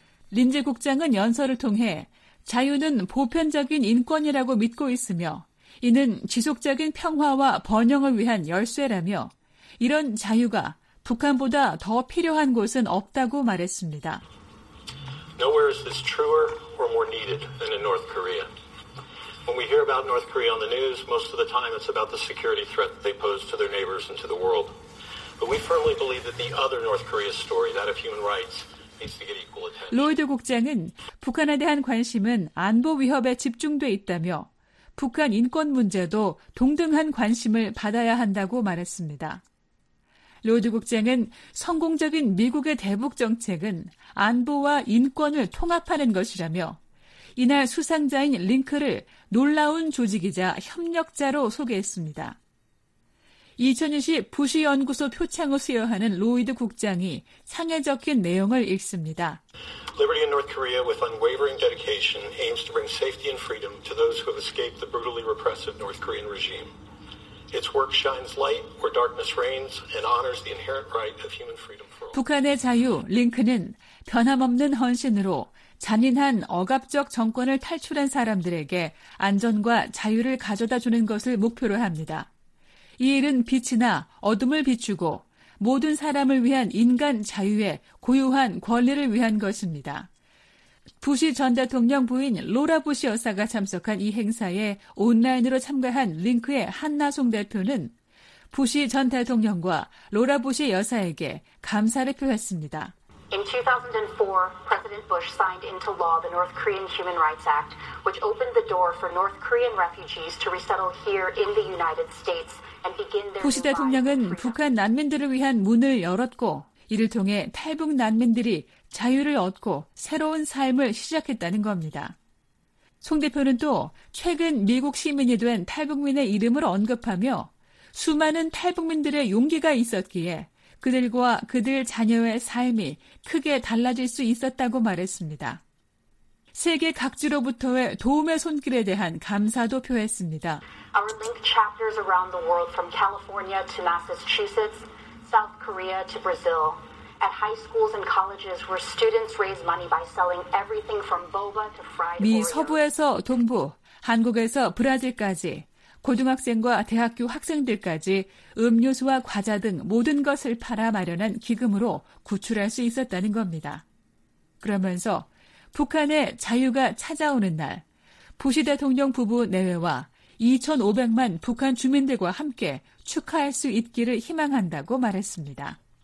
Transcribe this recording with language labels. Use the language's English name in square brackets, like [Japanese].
[Korean] 린지 국장은 연설을 통해 자유는 보편적인 인권이라고 믿고 있으며 이는 지속적인 평화와 번영을 위한 열쇠라며 이런 자유가 북한보다 더 필요한 곳은 없다고 말했습니다. [English] Nowhere is this truer or more needed than in North Korea. When we hear about North Korea on the news, most of the time it's about the security threat that they pose to their neighbors and to the world. But we firmly believe that the other North Korea story, that of human rights, [Korean] 로이드 국장은 북한에 대한 관심은 안보 위협에 집중돼 있다며 북한 인권 문제도 동등한 관심을 받아야 한다고 말했습니다. 로이드 국장은 성공적인 미국의 대북 정책은 안보와 인권을 통합하는 것이라며 이날 수상자인 링크를 놀라운 조직이자 협력자로 소개했습니다. 2020 부시 연구소 표창을 수여하는 로이드 국장이 상에 적힌 내용을 읽습니다. [English] Liberty in North Korea with unwavering dedication aims to bring safety and freedom to those who have escaped the brutally repressive North Korean regime. Its work shines light where darkness reigns and honors the inherent right of human freedom for all. [Korean] 북한의 자유, 링크는 변함없는 헌신으로 잔인한 억압적 정권을 탈출한 사람들에게 안전과 자유를 가져다 주는 것을 목표로 합니다. 이 일은 빛이나 어둠을 비추고 모든 사람을 위한 인간 자유의 고유한 권리를 위한 것입니다. 부시 전 대통령 부인 로라 부시 여사가 참석한 이 행사에 온라인으로 참가한 링크의 한나송 대표는 부시 전 대통령과 로라 부시 여사에게 감사를 표했습니다. [English] In 2004, President Bush signed into law the North Korean Human Rights Act, which opened the door for North Korean refugees to resettle here in the United States. [Korean] 부시 대통령은 북한 난민들을 위한 문을 열었고 이를 통해 탈북 난민들이 자유를 얻고 새로운 삶을 시작했다는 겁니다. 송 대표는 또 최근 미국 시민이 된 탈북민의 이름을 언급하며 수많은 탈북민들의 용기가 있었기에 그들과 그들 자녀의 삶이 크게 달라질 수 있었다고 말했습니다. 세계 각지로부터의 도움의 손길에 대한 감사도 표했습니다. [English] Our link chapters around the world from California to Massachusetts, South Korea to Brazil. At high schools and colleges where students raise money by selling everything from boba to fried oreo. [Korean] 미 서부에서 동부, 한국에서 브라질까지 고등학생과 대학교 학생들까지 음료수와 과자 등 모든 것을 팔아 마련한 기금으로 구출할 수 있었다는 겁니다. 그러면서 북한의 자유가 찾아오는 날, 부시 대통령 부부 내외와 2,500만 북한 주민들과 함께 축하할 수 있기를 희망한다고 말했습니다.